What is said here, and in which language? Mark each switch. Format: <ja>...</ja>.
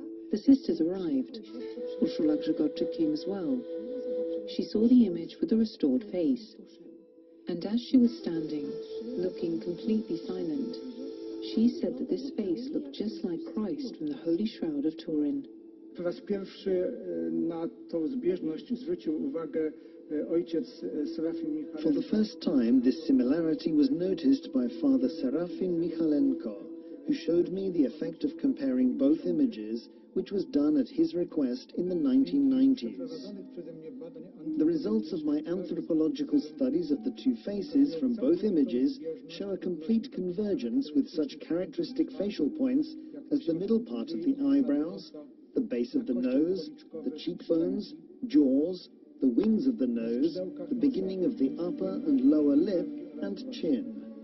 <en>The sisters arrived. Ursula got to King as well. She saw the image with the restored face, and as she was standing, looking completely silent, she said that this face looked just like Christ from the Holy Shroud of Turin.</en> <pl>Po raz pierwszy na tą zbieżność zwrócił uwagę ojciec Serafin Michalenko.</pl> <en>For the first time, this similarity was noticed by Father Serafin Michalenko, who showed me the effect of comparing both images, which was done at his request in the 1990s. The results of my anthropological studies of the two faces from both images show a complete convergence with such characteristic facial points as the middle part of the eyebrows, the base of the nose, the cheekbones, jaws, the wings of the nose, the beginning of the upper and lower lip, and chin.</en>